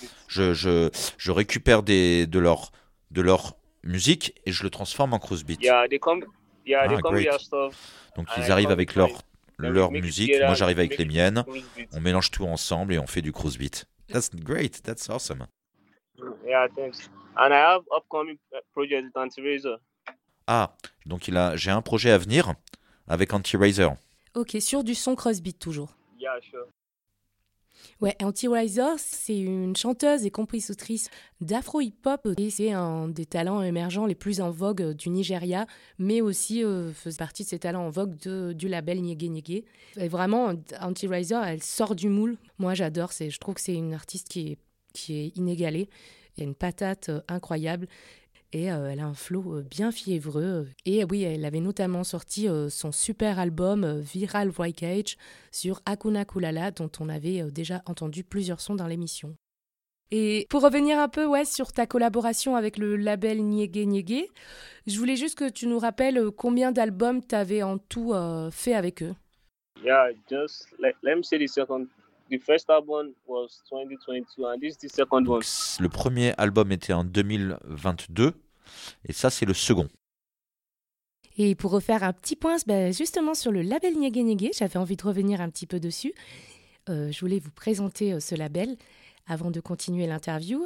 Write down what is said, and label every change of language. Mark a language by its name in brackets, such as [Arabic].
[French] Je récupère de leur musique et je le transforme en cruise beat. Donc, ils arrivent avec leur musique, moi j'arrive avec les miennes, on mélange tout ensemble et on fait du cruise beat. [English] That's great, that's awesome. Yeah, thanks. And I have upcoming project with Anti-Riser. [French] Ah, donc j'ai un projet à venir avec Anti-Riser. Ok, sur du son cruise beat toujours. [English] Yeah, sure. [French] Ouais, Anti-Riser, c'est une chanteuse et compositrice d'afro-hip-hop et c'est un des talents émergents les plus en vogue du Nigeria, mais aussi fait partie de ces talents en vogue du label Niégué Niégué. Et vraiment, Anti-Riser, elle sort du moule. Moi, j'adore, je trouve que c'est une artiste qui est inégalée. Il y a une patate incroyable et elle a un flow bien fiévreux. Et oui, elle avait notamment sorti son super album Viral Voyage sur Hakuna Kulala, dont on avait déjà entendu plusieurs sons dans l'émission. Et pour revenir un peu sur ta collaboration avec le label Niégué Niégué, je voulais juste que tu nous rappelles combien d'albums tu avais en tout fait avec eux. [English] Yeah, just let me say the second. The first album was 2022, and this is the second one. [French] Le premier album était en 2022, et ça, c'est le second. Et pour refaire un petit point, justement sur le label Niégué Niégué, j'avais envie de revenir un petit peu dessus. Je voulais vous présenter ce label avant de continuer l'interview.